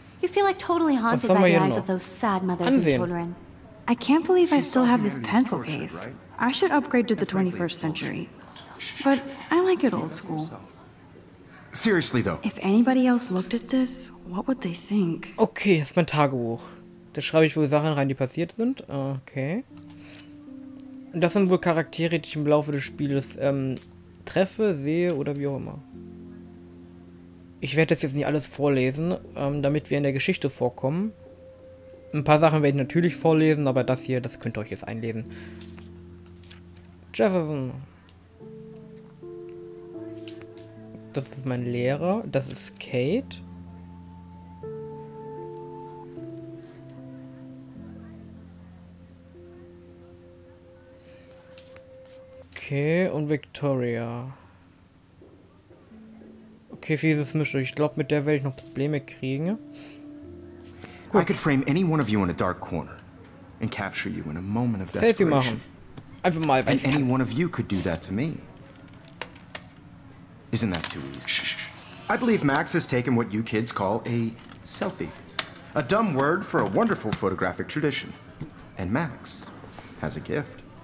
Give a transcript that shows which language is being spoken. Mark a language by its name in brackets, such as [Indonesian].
[English] You feel like totally haunted by the eyes of those sad mothers and children. I can't believe I still have this pencil tortured, case. Right? I should upgrade to the 21st century. But I like it old school. Seriously though. If anybody else looked at this, what would they think? [German] Okay, das ist mein Tagebuch. Da schreibe ich wohl Sachen rein, die passiert sind. Okay. Und das sind wohl Charaktere, die ich im Laufe des Spiels treffe, sehe oder wie auch immer. Ich werde das jetzt nicht alles vorlesen, damit wir in der Geschichte vorkommen. Ein paar Sachen werde ich natürlich vorlesen, aber das hier, das könnt ihr euch jetzt einlesen. Jefferson. Das ist mein Lehrer. Das ist Kate. Okay, und Victoria. Okay, fieses Mischung. Ich glaube, mit der werde ich noch Probleme kriegen. Gut. [English] I could frame any one of you in a dark corner and capture you in a moment of desperation. [German] Selfie machen. Einfach mal. [English] And any one of you could do that to me. Isn't that too easy? Shh, shh, shh. I believe Max has taken what you kids call a selfie. A dumb word for a wonderful photographic tradition. And Max has a gift.